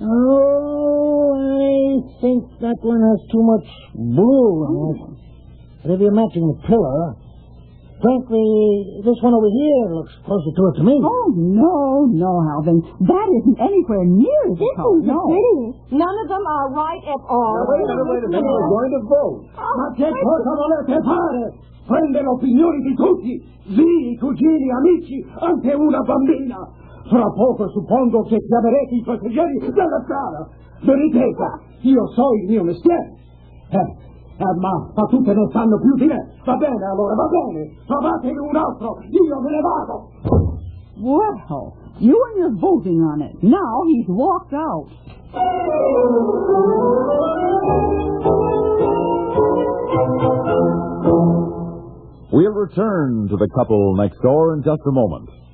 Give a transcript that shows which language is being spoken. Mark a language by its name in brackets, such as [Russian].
[English] Oh, I think that one has too much blue in it. But if you're matching the pillar, frankly, this one over here looks closer to it to me. Oh, no, Alvin. That isn't anywhere near this the color. No. None of them are right at all. Now, wait a minute. We're going to vote. [Italian] Ma che cosa volete fare? Prende l'opinione di tutti. Zii, cugini, amici, anche una bambina. Fra poco suppongo che chiamerete i passeggeri della strada. Veritate, io so il mio mestiere. Ma fa tutte non sanno più di me. Va bene, allora, va bene. Trovatevi un altro. Io me ne vado. [English] Well, you and your voting on it. Now he's walked out. We'll return to the couple next door in just a moment.